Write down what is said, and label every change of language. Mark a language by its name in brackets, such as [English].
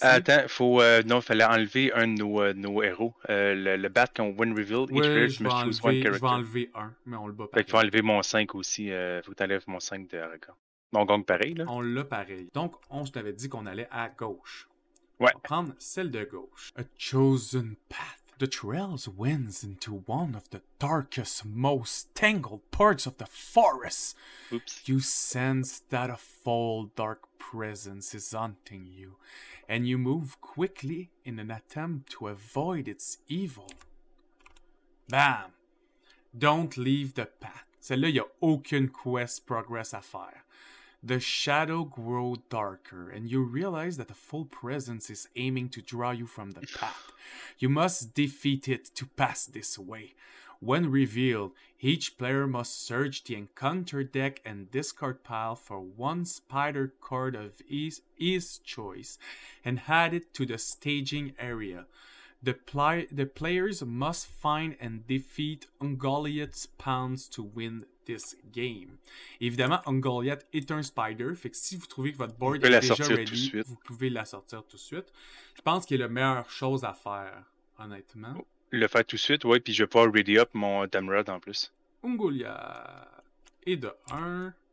[French] Attends, faut... Non, il fallait enlever un de nos héros. Le bat qu'on win reveal. Oui, je vais enlever un. Mais on le bat pas. Fait qu'il faut enlever mon 5 aussi. Faut que t'enlèves mon 5 de Aragorn. On gagne pareil, là. On l'a pareil. Donc, on t'avait dit qu'on allait à gauche. Ouais. On va prendre celle de gauche. A chosen path. [English] The trail winds into one of the darkest, most tangled parts of the forest. Oops. You sense that a foul, dark presence is haunting you, and you move quickly in an attempt to avoid its evil. Bam! Don't leave the path. [French] Celle-là, il n'y a aucune quest progress à faire. [English] The shadow grow darker, and you realize that a full presence is aiming to draw you from the path. You must defeat it to pass this way. When revealed, each player must search the encounter deck and discard pile for one spider card of his choice and add it to the staging area. The players must find and defeat Ungoliath's pawns to win this game. [French] Évidemment, Ungoliath est un spider, fait que si vous trouvez que votre board est déjà ready, vous pouvez la sortir tout de suite. Je pense qu'il est la meilleure chose à faire, honnêtement. Le faire tout de suite, ouais, puis je vais pouvoir ready up mon Tamriel en plus. Ungoliath est de 1.